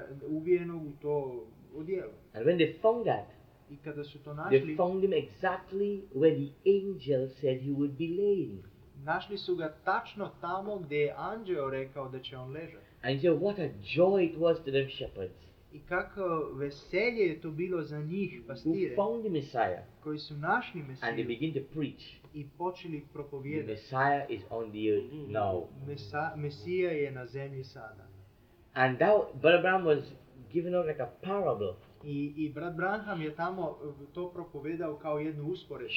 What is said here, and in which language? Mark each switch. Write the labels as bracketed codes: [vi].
[hr] uvijeno u to odijelo [en] and when they found that [hr] i kada su to našli [en] they found him exactly where the angel said he would be laying [hr] našli su ga tačno tamo gdje je anđeo rekao da će on ležati [en] and so what a joy it was to the shepherds [hr] i kako veselje je to bilo za njih pastire [en] who found the Messiah [hr] koji su našli Mesiju [en] and they begin to preach [hr] i počeli propovijedati. [en] The Messiah is on the earth now. [hr] Mesija je na zemlji sada. [en] And that Brother Branham was giving out like a parable. [hr] I Brat Branham je tamo to propovedao kao jednu usporedbu.